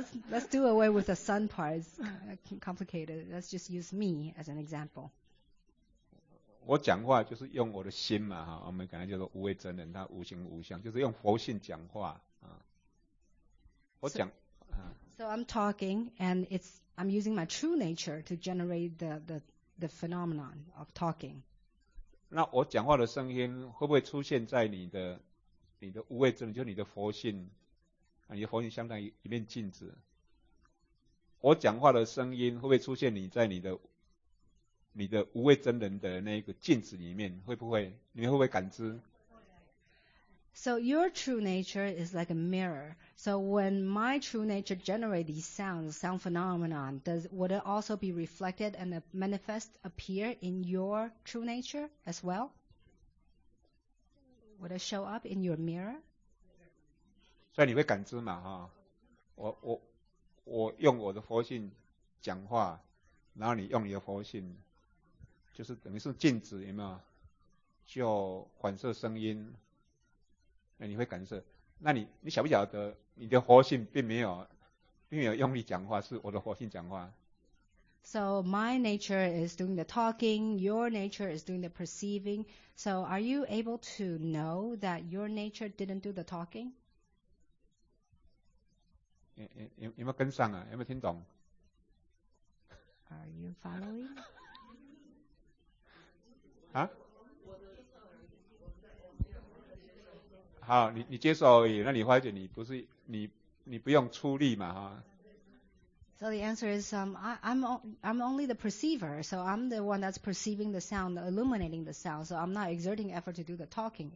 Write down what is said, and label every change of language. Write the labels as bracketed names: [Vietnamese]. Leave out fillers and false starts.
[English] let's do away with the son part. It's complicated. Let's just use me as an example. [Chinese] 我讲话就是用我的心嘛，哈，我们刚才叫做无畏真人，他无形无相，就是用佛性讲话啊。我讲 [English] So I'm talking, and I'm using my true nature to generate the phenomenon of talking. [Chinese] 那我讲话的声音会不会出现在你的无畏真人，就是你的佛性？啊、你的佛性相当于一面镜子。我讲话的声音会不会出现你的无畏真人的那个镜子里面，会不会？你们会不会感知 [English] ？So your true nature is like a mirror. So when my true nature generate these sounds, sound phenomenon, would it also be reflected and manifest appear in your true nature as well? Would it show up in your mirror? [Chinese] 所以你会感知嘛？哈，我用我的佛性讲话，然后你用你的佛性。就是等于是镜子，有没有？就反射声音，那你会感受。那你晓不晓得你的佛性并没有用力讲话，是我的佛性讲话。 [English] So my nature is doing the talking, your nature is doing the perceiving. So are you able to know that your nature didn't do the talking? [Chinese] 有没有跟上啊？有没有听懂 [English] ？Are you following? [Chinese] 好 你接受而已，那你发觉你不是 你不用出力嘛，哈。 [English] So the answer is, I'm only the perceiver, so I'm the one that's perceiving the sound, illuminating the sound, so I'm not exerting effort to do the talking.